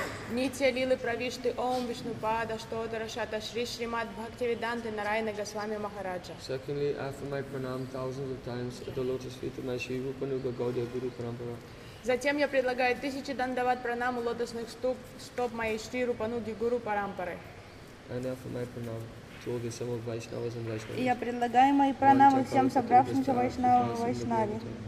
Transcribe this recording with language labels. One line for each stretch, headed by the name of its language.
Sanskrit: Нитья Лилы Правишты Ом Вишну Пада Штодара Шата Шри Шримад Бхакти Веданты Нарайна Госвами Махараджа.
English: Secondly, after my pranam thousands of times at the lotus feet of my Shri Rupanuga Gaudiya Guru Parampara.
Russian: Затем я предлагаю тысячи дандават пранам у лотосных стоп моей Шри Рупануги Гуру Парампары.
English: And after my pranam to all the several Vaishnavas and Vaishnavas.
Russian: Я предлагаю мои пранамы всем собравшимся Вайшнавам и Вайшнаве.